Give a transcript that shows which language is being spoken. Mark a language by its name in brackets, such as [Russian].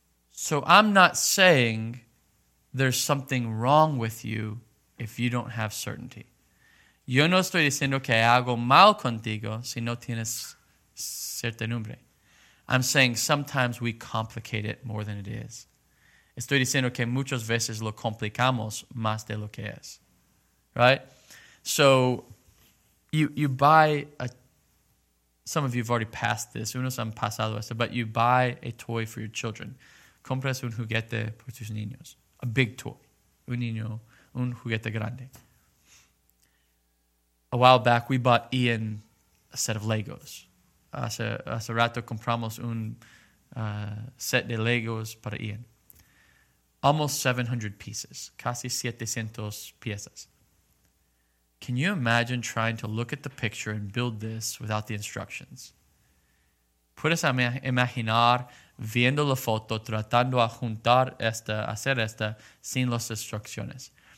[English] So I'm not saying there's something wrong with you if you don't have certainty. [Spanish] Yo no estoy diciendo que hago mal contigo si no tienes certidumbre. [English] I'm saying sometimes we complicate it more than it is. [Spanish] Estoy diciendo que muchas veces lo complicamos más de lo que es. [English] Right? So, you buy a... Some of you have already passed this. [Spanish] Unos han pasado esto. [English] But you buy a toy for your children. [Spanish] Compras un juguete por tus niños. [English] A big toy. [Spanish] Un niño, un juguete grande. [English] A while back, we bought Ian a set of Legos. [Spanish] Hace rato compramos un set de Legos para Ian. [English] Almost 700 pieces. [Spanish] Casi 700 piezas. [English] Can you imagine trying to look at the picture and build this without the instructions? [Spanish] Puedes imaginar viendo la foto, tratando a juntar esta, hacer esta, sin las instrucciones.